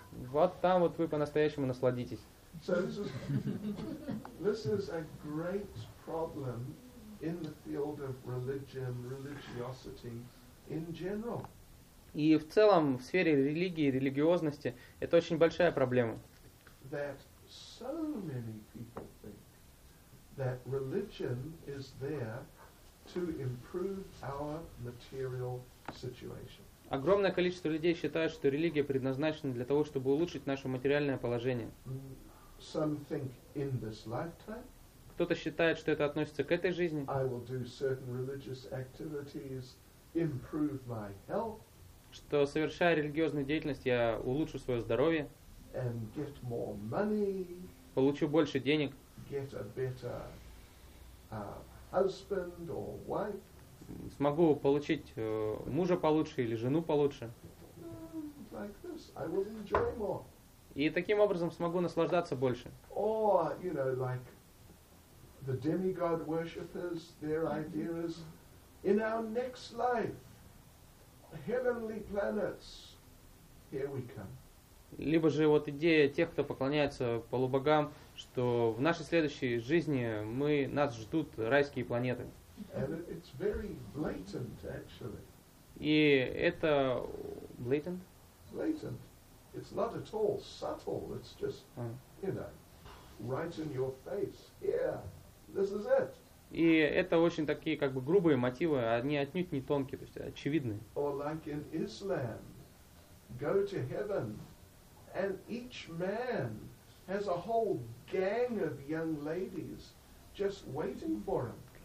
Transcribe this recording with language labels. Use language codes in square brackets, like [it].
[ru] Вот там вот вы по-настоящему насладитесь. [en] So this is a great problem in the field of religion, religiosity in general. [ru] И в целом в сфере религии, религиозности это очень большая проблема. [en] That so many people think that religion is there to improve our material situation. [ru] Огромное количество людей считают, что религия предназначена для того, чтобы улучшить наше материальное положение. [en] Some think in this lifetime. [ru] Кто-то считает, что это относится к этой жизни. [en] I will do certain religious activities, improve my health. [ru] Что, совершая религиозную деятельность, я улучшу свое здоровье. [en] And get more money. [ru] Получу больше денег. [en] Get a better husband or wife. [ru] Смогу получить мужа получше или жену получше. [en] Like this, I will enjoy more. [ru] И таким образом смогу наслаждаться больше. [en] Or, you know, like the demigod worshippers, their idea is in our next life, heavenly planets, here we come. [ru] Либо же вот идея тех, кто поклоняется полубогам, что в нашей следующей жизни нас ждут райские планеты. [en] It's very blatant, actually. [ru] И это blatant? [en] Blatant. It's not at all subtle. It's just, you know, right in your face. Yeah, this is it. [ru] И это очень такие как бы грубые мотивы, они отнюдь не тонкие, то есть очевидные. [en] Or like in Islam, go to heaven. And each man has a whole gang of young ladies just waiting for him.